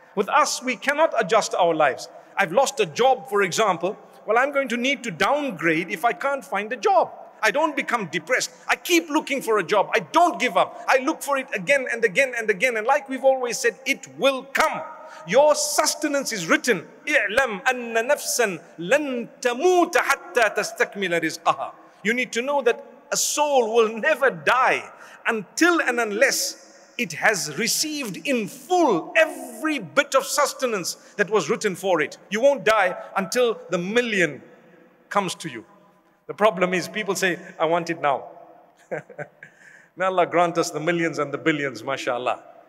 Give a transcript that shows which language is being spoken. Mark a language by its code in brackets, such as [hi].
[en] With us, we cannot adjust our lives. I've lost a job, for example. Well, I'm going to need to downgrade if I can't find a job. I don't become depressed. I keep looking for a job. I don't give up. I look for it again and again and again. And like we've always said, it will come. Your sustenance is written. [ar] اعلم أن نفسا لن تموت حتى تستكمل رزقها. [en] You need to know that a soul will never die until and unless it has received in full every bit of sustenance that was written for it. You won't die until the million comes to you. The problem is people say, I want it now. May Allah grant us the millions and the billions, mashallah.